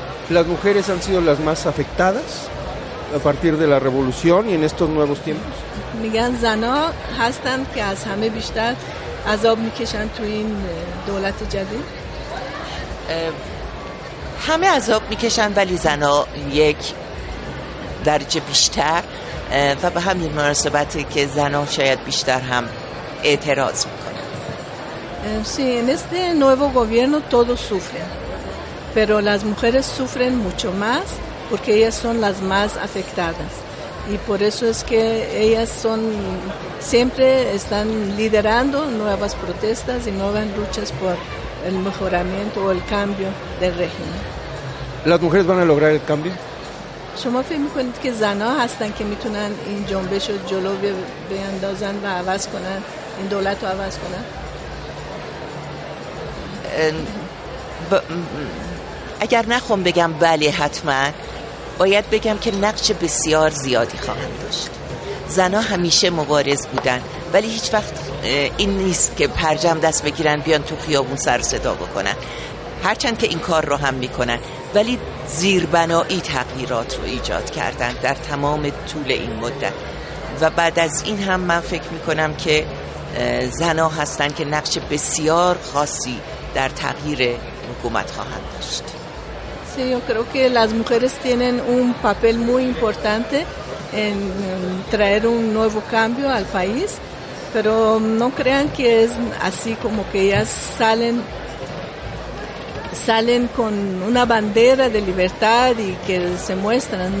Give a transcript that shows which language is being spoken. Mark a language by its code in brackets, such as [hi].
[es] ¿Las mujeres han sido las más afectadas a partir de la revolución y en estos nuevos tiempos? [fa] میگن زنها هستند که از همه بیشتر عذاب میکشند تو این دولت جدید. همه عذاب میکشند ولی زنها یک درجه بیشتر، و به همین مناسبتی که زنها شاید بیشتر هم اعتراض میکنند. [es] Sí, en este nuevo gobierno todos sufren, pero las mujeres sufren mucho más porque ellas son las más afectadas. Y por eso es que ellas son siempre están liderando nuevas protestas y nuevas luchas por el mejoramiento o el cambio del régimen. ¿Las mujeres van a lograr el cambio? [fa] شما فکر میکنید که زنها هستن که میتونن این جنبش رو جلو بیاندازن و عوض کنن، این دولت رو عوض کنن؟ اگر نخوام بگم بله حتما، باید بگم که نقش بسیار زیادی خواهند داشت. زنها همیشه مبارز بودن، ولی هیچ وقت این نیست که پرچم دست بگیرن بیان تو خیابون سر صدا بکنن، هرچند که این کار رو هم میکنن، ولی زیربنایی تغییرات رو ایجاد کردن در تمام طول این مدت. و بعد از این هم من فکر میکنم که زنها هستن که نقش بسیار خاصی در تغییر حکومت خواهند داشت. [es] Yo creo que las mujeres tienen un papel muy importante en traer un nuevo cambio al país, pero no crean que es así como que ellas salen con una bandera de libertad y que se muestran.